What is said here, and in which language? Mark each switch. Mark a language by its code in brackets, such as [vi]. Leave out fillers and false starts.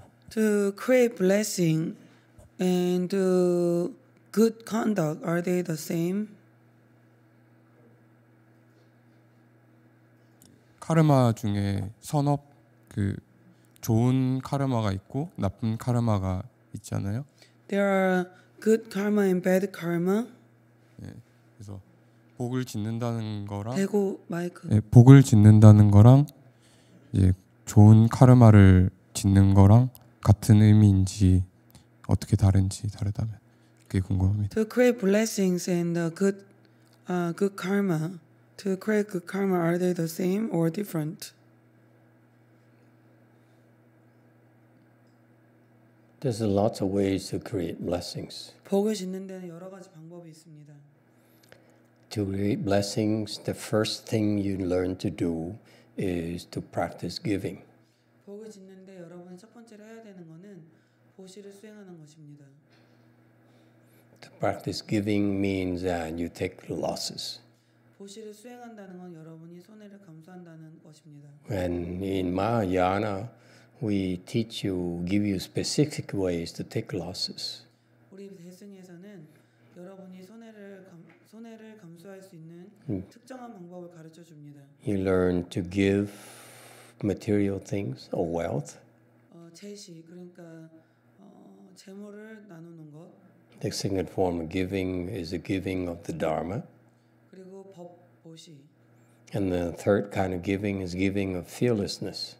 [en] To create blessing and to good conduct, are they the same? [ko] Karma 중에 선업 그 좋은 카르마가 있고 나쁜 카르마가 있잖아요. [en] There are good karma and bad karma. [ko] 복을 짓는다는 거랑 대고 마이크. 예, 복을 짓는다는 거랑 이제 좋은 카르마를 짓는 거랑 같은 의미인지 어떻게 다른지 다르다면 그게 궁금합니다. [en] To create blessings and good, good karma. To create good karma, are they the same or different? [ko] 복을 짓는 데는 여러 가지 방법이 있습니다. [en] To create blessings, the first thing you learn to do is to practice giving. [ko] 복을 짓는데 여러분이 첫 번째로 해야 되는 것은 보시를 수행하는 것입니다. [en] To practice giving means that you take losses. [ko] 보시를 수행한다는 건 여러분이 손해를 감수한다는 것입니다. [en] When in Mahayana, we teach you, give you specific ways to take losses. [ko] 우리 대승에서는 여러분이 손해를 감수할 수 있는 특정한 방법을 가르쳐 줍니다. [en] You learn to give material things or wealth. [ko] 제시 그러니까 재물을 나누는 것. [en] The second form of giving is the giving of the Dharma. [ko] 그리고 법 보시. [en] And the third kind of giving is giving of fearlessness.